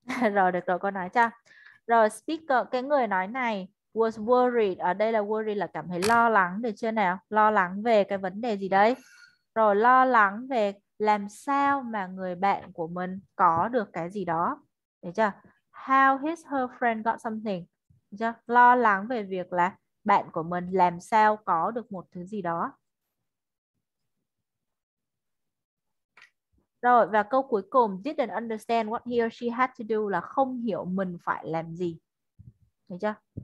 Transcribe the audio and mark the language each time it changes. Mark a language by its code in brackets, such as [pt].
[vi] Rồi được rồi, cô nói cho. Rồi speaker, cái người nói này [en] was worried. [vi] Ở đây là worry là cảm thấy lo lắng, được chưa nào? Lo lắng về cái vấn đề gì đấy? Rồi lo lắng về làm sao mà người bạn của mình có được cái gì đó, được chưa? [en] How his her friend got something, được chưa? [vi] Lo lắng về việc là bạn của mình làm sao có được một thứ gì đó. Rồi và câu cuối cùng, [en] didn't understand what he or she had to do, [vi] là không hiểu mình phải làm gì. Được chưa?